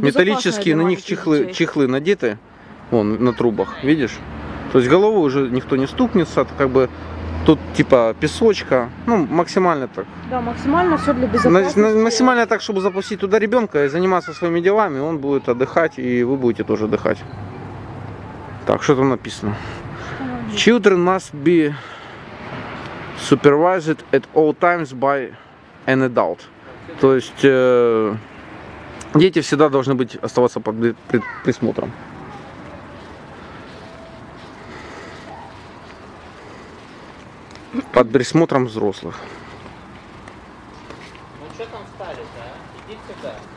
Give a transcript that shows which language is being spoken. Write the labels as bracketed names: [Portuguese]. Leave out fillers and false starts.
[Russian] металлические, на них чехлы надеты. Вон, на трубах, видишь? То есть головой уже никто не стукнется, как бы тут типа песочка. Ну, максимально так. Да, максимально все для безопасности. Максимально так, чтобы запустить туда ребенка и заниматься своими делами, он будет отдыхать, и вы будете тоже отдыхать. Так, что там написано? [English] Children must be supervised at all times by an adult. [Russian] То есть дети всегда должны быть оставаться под присмотром. Под присмотром взрослых. Ну что там стали-то, а? Иди сюда.